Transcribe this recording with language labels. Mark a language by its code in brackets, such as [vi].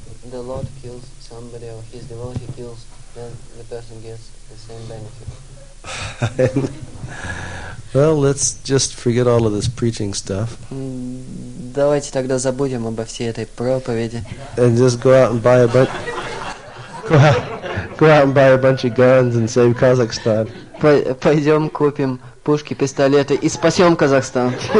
[en] The Lord kills somebody or his devotee kills, then the person gets the same benefit. Well, let's just forget all of this preaching stuff. [ru] Давайте тогда забудем обо всей этой проповеди. [en] And just go out and buy a bunch of guns and save Kazakhstan. [ru] Пойдем купим пушки, пистолеты и спасем Казахстан.